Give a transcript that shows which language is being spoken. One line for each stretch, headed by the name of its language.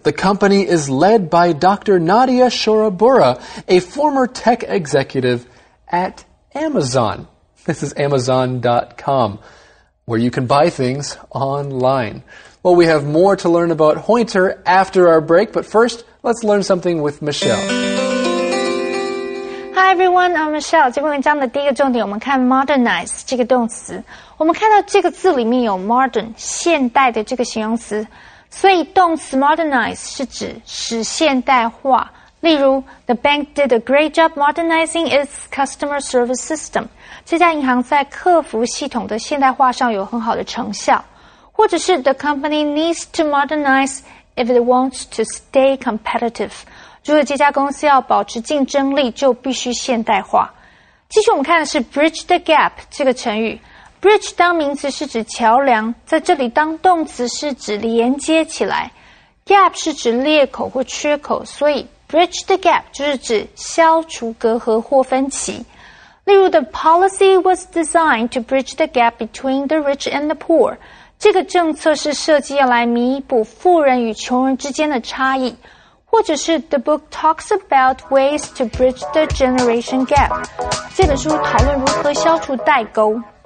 English: The company is led by Dr. Nadia Shorabura, a former tech executive at Amazon. This is Amazon.com, where you can buy things online. Well, we have more to learn about Hointer after our break, but first, let's learn something with Michelle. Hi, everyone. I'm Michelle.
Chinese: 这篇文章的第一个重点，我们看 modernize 这个动词。我们看到这个字里面有 modern 现代的这个形容词，所以动词 modernize 是指使现代化。例如
English: ，The bank did a great job modernizing its customer service system.
Chinese: 这家银行在客服系统的现代化上有很好的成效。或者是
English: the company needs to modernize if it wants to stay competitive.
Chinese: 如果这家公司要保持竞争力就必须现代化。继续我们看的是
English: bridge the gap
Chinese: 这个成语。Bridge 当名词是指桥梁，在这里当动词是指连接起来。Gap 是指裂口或缺口，所以
English: Bridge the gap
Chinese: 就是指消除隔阂或分歧。例如
English: ,the policy was designed to bridge the gap between the rich and the poor.
Chinese: 这个政策是设计要来弥补富人与穷人之间的差异。或者是
English: ,the book talks about ways to bridge the generation gap.
Chinese: 这本书讨论如何消除代沟。